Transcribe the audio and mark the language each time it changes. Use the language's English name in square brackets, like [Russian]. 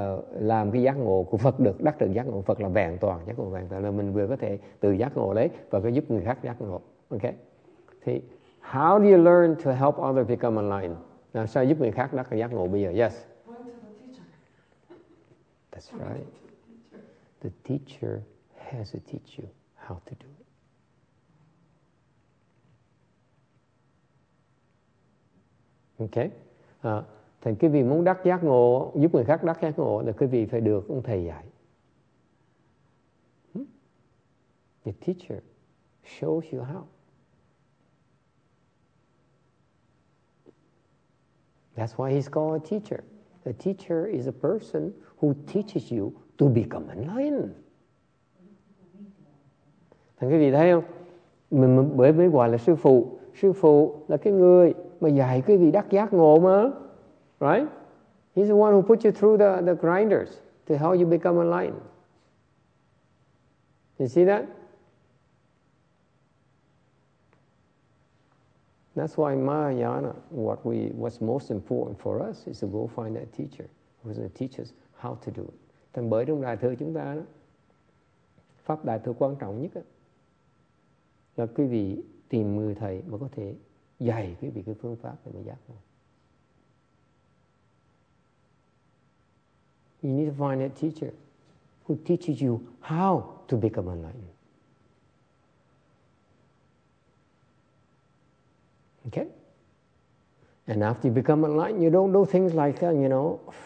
[Vietnamese] làm cái giác ngộ của Phật được, đắc được giác ngộ Phật là vẹn toàn, giác ngộ vẹn toàn là mình vừa có thể tự giác ngộ lấy và có giúp người khác giác ngộ. [English] Ok, [Vietnamese] thì [English] how do you learn to help others become enlightened? [Vietnamese] Làm sao giúp người khác đắc được giác ngộ bây giờ? [English] Yes. That's right. The teacher has to teach you how to do it. Okay. [Vietnamese] Thành quý vị muốn đắc giác ngộ, giúp người khác đắc giác ngộ là quý vị phải được ông thầy dạy. [English] The teacher shows you how. That's why he's called a teacher. A teacher is a person who teaches you to become enlightened. [Vietnamese] Thành quý vị thấy không? Mình mới gọi là sư phụ. Sư phụ là cái người mà dạy quý vị đắc giác ngộ mà. [English] Right? He's the one who put you through the grinders to help you become enlightened. You see that? That's why Mahayana, what's most important for us is to go find that teacher who's going to teach us how to do it. [Vietnamese] Thành bởi trong đại thừa chúng ta đó, pháp đại thừa quan trọng nhất đó, là quý vị tìm người thầy mà có thể dạy quý vị cái phương pháp để mà giác ngộ. [English] You need to find a teacher who teaches you how to become enlightened. Okay? And after you become enlightened, you don't do things like that, you know.